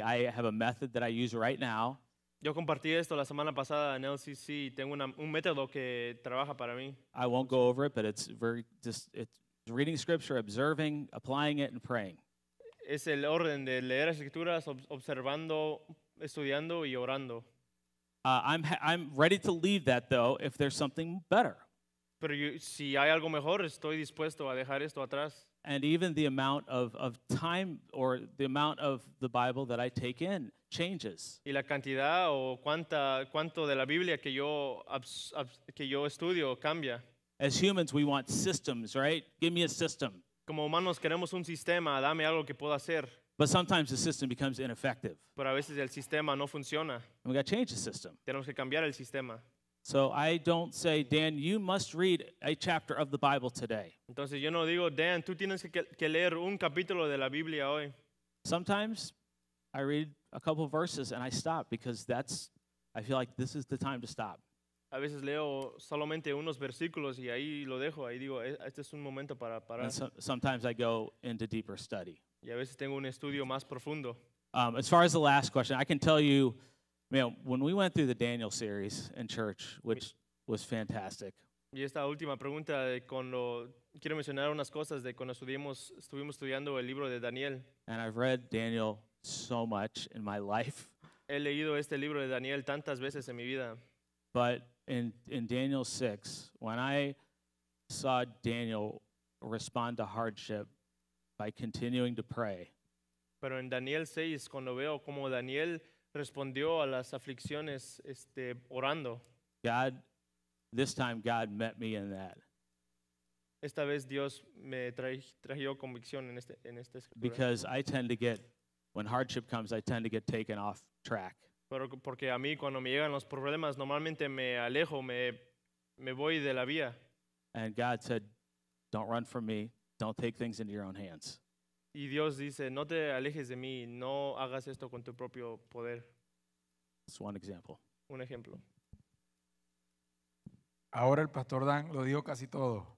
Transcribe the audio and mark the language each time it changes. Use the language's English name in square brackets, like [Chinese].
[English] I have a method that I use right now. [Spanish] Yo compartí esto la semana pasada en LCC y tengo un método que trabaja para mí. [English] I won't go over it, but it's very just it's reading scripture, observing, applying it and praying. [Spanish] Es el orden de leer las escrituras, observando, estudiando y orando. [English] I'm ready to leave that though if there's something better. [Spanish] Pero si hay algo mejor, estoy dispuesto a dejar esto atrás. [English] And even the amount of time or the amount of the Bible that I take in changes. [Spanish] Y la cantidad o cuánto de la Biblia que yo estudio cambia. [English] As humans, we want systems, right? Give me a system. [Spanish] Como humanos queremos un sistema, dame algo que puedo hacer. [English] But sometimes the system becomes ineffective. [Spanish] Pero a veces el sistema no funciona. [English] And we got to change the system. [Spanish] Tenemos que cambiar el sistema. [English] So I don't say, Dan, you must read a chapter of the Bible today. [Spanish] Entonces yo no digo, Dan, tú tienes que leer un capítulo de la Biblia hoy. [English] Sometimes I read a couple of verses and I stop because that's, I feel like this is the time to stop. [Spanish] A veces leo solamente unos versículos y ahí lo dejo. Ahí digo, este es un momento para parar. [English] And sometimes I go into deeper study. [Spanish] Y a veces tengo un estudio más profundo. [English] As far as the last question, I can tell you, you know, when we went through the Daniel series in church, which was fantastic. [Spanish] Y esta última pregunta, quiero mencionar unas cosas de cuando estuvimos estudiando el libro de Daniel. [English] And I've read Daniel so much in my life. [Spanish] He leído este libro de Daniel tantas veces en mi vida. [English] But in Daniel 6, when I saw Daniel respond to hardship by continuing to pray. [Spanish] Pero en Daniel 6, cuando veo cómo Daniel respondió a las aflicciones orando. [English] God, this time God met me in that. [Spanish] Esta vez Dios me trajo convicción en esta escritura. [English] Because I tend to get, when hardship comes, I tend to get taken off track. [Spanish] Pero porque a mí cuando me llegan los problemas, normalmente me alejo, me voy de la vía. [English] And God said, don't run from me, don't take things into your own hands. [Spanish] Y Dios dice, no te alejes de mí, no hagas esto con tu propio poder. [English] That's one example. [Spanish] Un ejemplo. Ahora el Pastor Dan lo dijo casi todo.